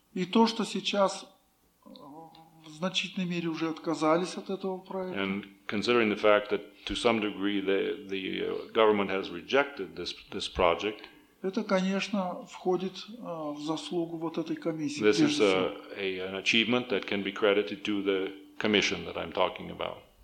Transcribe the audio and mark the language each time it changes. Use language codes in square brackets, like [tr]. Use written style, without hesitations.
[ru] И то, что сейчас в значительной мере уже отказались от этого проекта. [en] And considering the fact that to some degree the government has rejected this project. [ru] Это, конечно, входит в заслугу вот этой комиссии. [en] This is an achievement that can be credited to the commission that I'm talking about.